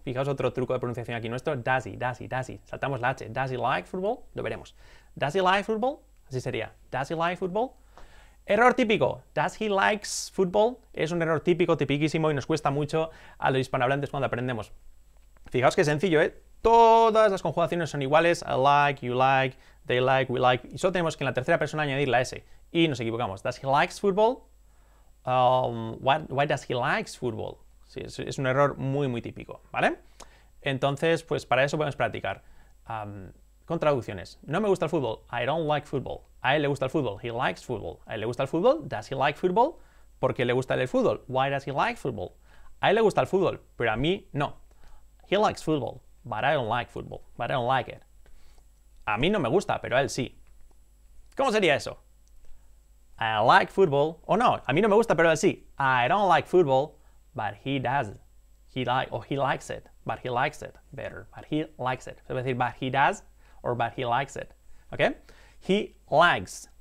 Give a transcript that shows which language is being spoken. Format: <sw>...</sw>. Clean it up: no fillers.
<es>Fijaos otro truco de pronunciación aquí nuestro.</es> <en>Does he.</en> <es>Saltamos la H.</es> <en>Does he like football?</en> <es>Lo veremos. Does he like football? Así sería. Does he like football? Error típico.</es> <en>Does he likes football?</en> <es>Es un error típico, tipiquísimo, y nos cuesta mucho a los hispanohablantes cuando aprendemos. Fijaos que sencillo, ¿eh? Todas las conjugaciones son iguales.</es> <en>I like, you like, they like, we like.</en> <es>Y solo tenemos que en la tercera persona añadir la S. Y nos equivocamos.</es> <en>Does he likes football? Why does he likes football?</en> <es>Sí, es un error muy, muy típico, ¿vale? Entonces, pues para eso podemos practicar. Con traducciones. No me gusta el fútbol.</es> <en>I don't like football.</en> <es>A él le gusta el fútbol.</es> <en>He likes football.</en> <es>A él le gusta el fútbol.</es> <en>Does he like football?</en> <es>¿Por qué le gusta el fútbol?</es> <en>Why does he like football?</en> <es>A él le gusta el fútbol, pero a mí no.</es> <en>He likes football, but I don't like football, but I don't like it.</en> <es>A mí no me gusta, pero a él sí. ¿Cómo sería eso?</es> <en>I like football,</en> <es>o no, a mí no me gusta, pero a él sí.</es> <en>I don't like football, but he does. He likes it better.</en> <es>Se puede decir,</es> <en>but he does, or but he likes it. ¿Ok? He likes</en>